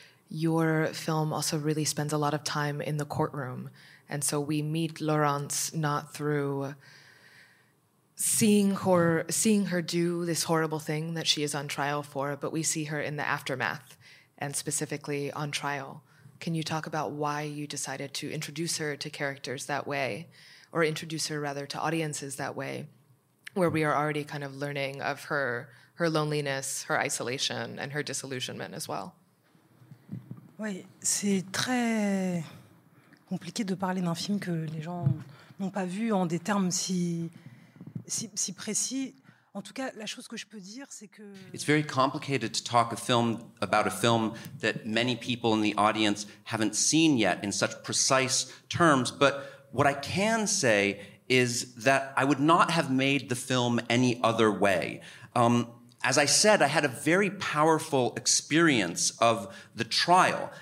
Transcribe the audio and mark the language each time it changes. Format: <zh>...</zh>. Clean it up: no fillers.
<en>Your film also really spends a lot of time in the courtroom, and so we meet Laurence not through seeing her do this horrible thing that she is on trial for, but we see her in the aftermath, and specifically on trial. Can you talk about why you decided to introduce her to characters that way? Or introduce her rather to audiences that way, where we are already kind of learning of her loneliness, her isolation, and her disillusionment as well.</en> <fr>Oui, c'est très compliqué de parler d'un film que les gens n'ont pas vu en des termes si précis. En tout cas, la chose que je peux dire, c'est que</fr> <en>it's very complicated to talk about a film that many people in the audience haven't seen yet in such precise terms, but what I can say is that I would not have made the film any other way. as I said, I had a very powerful experience of the trial.</en>